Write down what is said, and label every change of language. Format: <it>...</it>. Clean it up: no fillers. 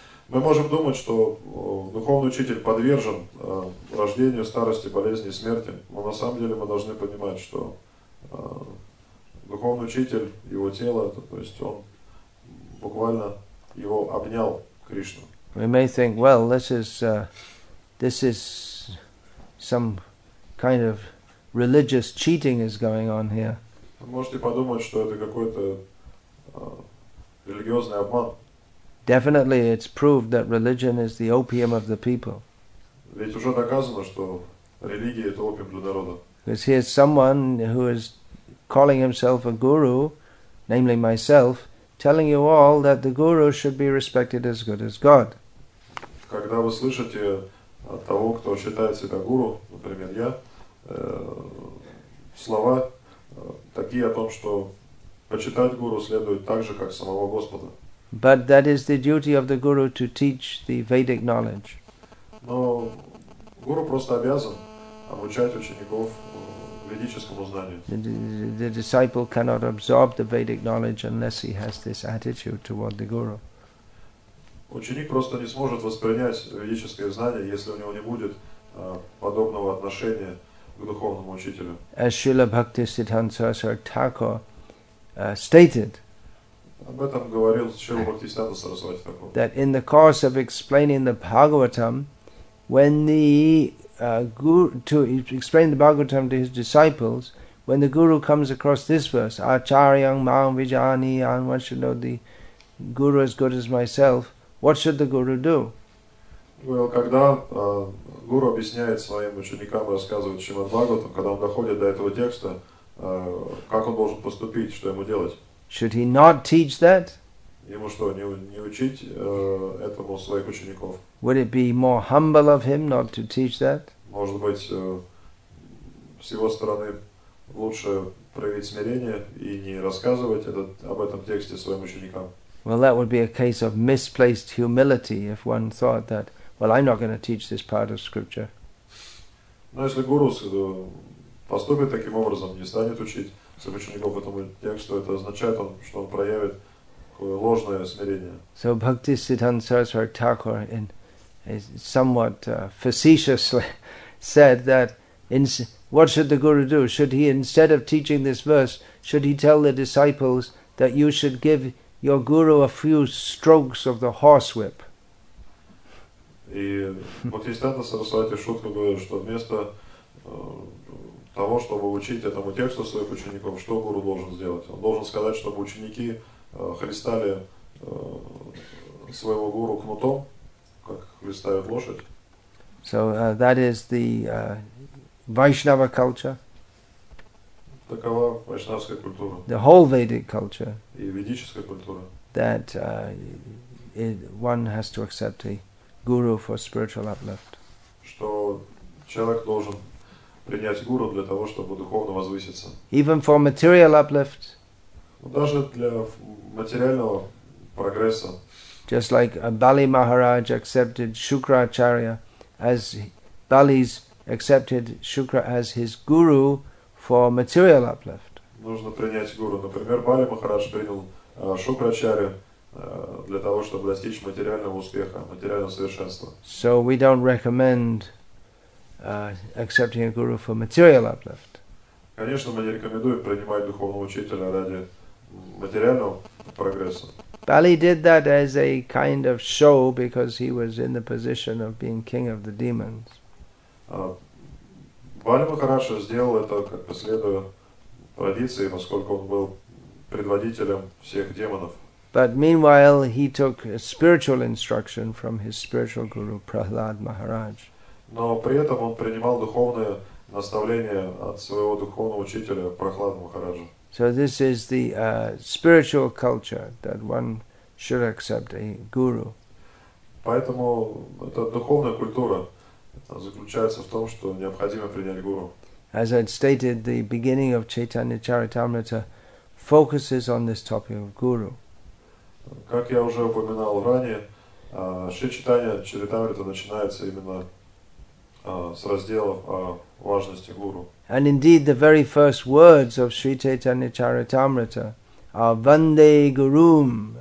<ru>Мы можем думать, что духовный учитель подвержен рождению, старости, болезни, смерти. Но на самом деле мы должны понимать, что духовный учитель, его тело, то есть он буквально его обнял Кришну.</ru> <en>We may think, well, this is some kind of religious cheating is going on here.</en> <ru>Вы можете подумать, что это какой-то религиозный обман.</ru> <en>Definitely, it's proved that religion is the opium of the people.</en> <ru>Ведь уже доказано, что религия это опиум для народа.</ru> <en>Because here's someone who is calling himself a guru, namely myself, telling you all that the guru should be respected as good as God.</en> <ru>Когда вы слышите от того, кто считает себя гуру, например, я, слова такие о том, что почитать гуру следует так же, как самого Господа.</ru> <en>But that is the duty of the guru to teach the Vedic knowledge.</en> <ru>Но гуру просто обязан обучать учеников ведическому знанию.</ru> <en>The disciple cannot absorb the Vedic knowledge unless he has this attitude toward the guru.</en> <ru>Ученик просто не сможет воспринять ведическое знание, если у него не будет подобного отношения к духовному учителю.</ru> <en>As Srila Bhaktisiddhanta Saraswati Thakur stated.</en> <ru>Об этом говорил Шрила Бхактисиддханта Сарасвати Такур.</ru> <en>That in the course of explaining the Bhagavatam, when the guru to explain the Bhagavatam to his disciples, when the guru comes across this verse,</en> <sa>Acharyam Mam Vijaniyan,</sa> <en>one should know the guru as good as myself. What should the guru do?</en> <ru>Well, когда гуру объясняет своим ученикам и рассказывает Шримад Бхагаватам, когда он доходит до этого текста, как он должен поступить, что ему делать?</ru> <en>Should he not teach that?</en> <ru>Ему что, не учить этому своих учеников?</ru> <en>Would it be more humble of him not to teach that?</en> <ru>Может быть, с его стороны лучше проявить смирение и не рассказывать об этом тексте своим ученикам?</ru> <en>Well, that would be a case of misplaced humility if one thought that, well, I'm not going to teach this part of scripture.</en> <ru>Но если гуру поступит таким образом, не станет учить, своих учеников этому тексту, это означает, что он проявит ложное смирение.</ru> <en>So Bhaktisiddhanta Saraswati Thakur, in somewhat facetiously, said that what should the guru do? Should he, instead of teaching this verse, should he tell the disciples that you should give your guru a few strokes of the horsewhip?</en> <ru>И Bhaktisiddhanta Saraswati шутку говорил, что вместо того, чтобы учить этому тексту своих учеников, что гуру должен сделать? Он должен сказать, чтобы ученики хлестали своего гуру кнутом, как хлестают лошадь.</ru> <en>So that is the Vaishnava culture.</en> <ru>Такова вайшнавская культура.</ru> <en>The whole Vedic culture.</en> <ru>И ведическая культура.</ru> <en>That one has to accept a guru for spiritual uplift.</en> <ru>Что человек должен принять гуру для того, чтобы духовно возвыситься.</ru> <en>Even for material uplift.</en> <ru>Даже для материального прогресса.</ru> <en>Just like Bali Maharaj accepted Shukracharya as Bali's accepted Shukra as his guru for material uplift.</en> <ru>Нужно принять гуру. Например, Бали Махарадж принял Шукрачарю для того, чтобы достичь материального успеха, материального совершенства.</ru> <en>So we don't recommend accepting a guru for material uplift.</en> <ru>Конечно, мы не рекомендуем принимать духовного учителя ради материального прогресса.</ru> <en>Bali did that as a kind of show because he was in the position of being king of the demons.</en> <ru>Бали Махараджа сделал это как бы следуя традиции, поскольку он был предводителем всех демонов.</ru> <en>But meanwhile, he took spiritual instruction from his spiritual guru, Prahlad Maharaj.</en> <ru>Но при этом он принимал духовное наставление от своего духовного учителя, Прахлада Махараджа.</ru> <en>So this is the spiritual culture that one should accept a guru.</en> <ru>Поэтому эта духовная культура заключается в том, что необходимо принять гуру.</ru> <en>As I stated, the beginning of Chaitanya Charitamrita focuses on this topic of guru.</en> <ru>Как я уже упоминал ранее, Шри Чайтанья Чаритамрита начинается именно с разделов о важности гуру.</ru> <en>And indeed, the very first words of Sri Chaitanya Charitamrita are</en> <sa>"Vande Gurum."</sa>